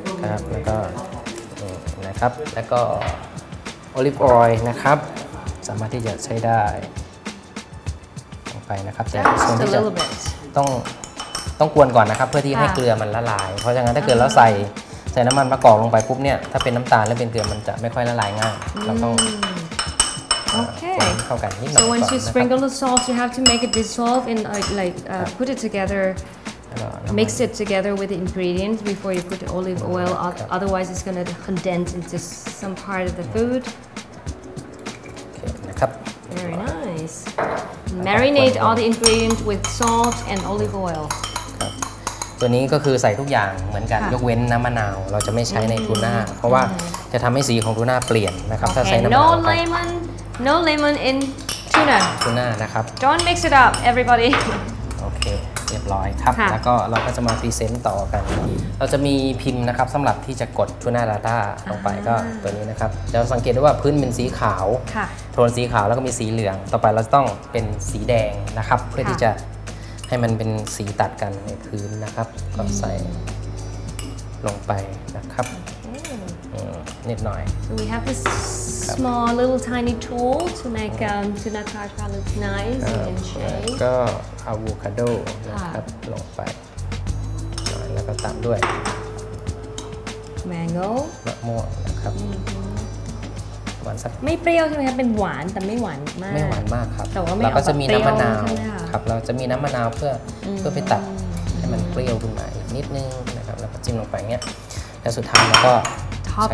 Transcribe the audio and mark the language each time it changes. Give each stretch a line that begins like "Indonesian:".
Thai: ครับแล้วก็นะครับแล้วก็โอลิฟออยล์นะครับสามารถที่จะใช้ได้นะครับแต่ส่ว นที่ จะต้องกวนก่อนนะครับเพื่อที่ให้เกลือมันละลายเพราะฉะนั้นถ้าเกิดเราใส่น้ำมันมะกอกลงไปปุ๊บเนี่ยถ้าเป็นน้ำตาลและเป็นเกลือมันจะไม่ค่อยละลายง่ายเราต้อง โอเค เข้ากันนิดหน่อย
English: so when you sprinkle the sauce you have to make it dissolve in like put it together mix it together with the ingredients before you put the olive oil otherwise it's gonna condense into some part of the food
Thai: นะครับ
English: very nicemarinate all the ingredients with salt and olive oil
Thai: ครับตัวนี้ก็คือใส่ทุกอย่างเหมือนกันยกเว้นน้ำมะนาวเราจะไม่ใช้ในทูน่าเพราะว่าจะทำให้สีของทูน่าเปลี่ยนนะครับถ้าใช้น้ำมะนาว
English: no lemon no lemon in tuna
Thai: ทูน่านะครับ
English: don't mix it up everybody
Thai: โอเคเรียบร้อยครับแล้วก็เราก็จะมาพรีเซนต์ต่อกันเราจะมีพิมพ์นะครับสำหรับที่จะกดทูน่าราต้าลงไปก็ตัวนี้นะครับเราสังเกตได้ว่าพื้นเป็นสีขาวโทนสีขาวแล้วก็มีสีเหลืองต่อไปเราต้องเป็นสีแดงนะครับเพื่อที่จะให้มันเป็นสีตัดกันในพื้นนะครับก็ใส่ลงไปนะครับนิดหน่อย
English: so we have this small little tiny tool to make tuna tartar look nice and shape
Thai: ก็อะโวคาโดนะครับลงไปแล้วก็ตามด้วย
English: mango
Thai: มะม่วงนะครับ ไม่เปรี้ยวใช่ไหมครับเป็นหวานแต่ไม่หวานมาก ไม่หวานมากครับ แต่ว่า เราก็ จะมี น้ ำมะนาวครับเราจะมีน้ำมะนาวเพื่อไปตัดให้มันเปรี้ยวขึ้นมาอีกนิดนึงนะครับแล้วก็จิ้มลงไปอย่างเงี้ยแล้วสุดท้ายเราก็ใช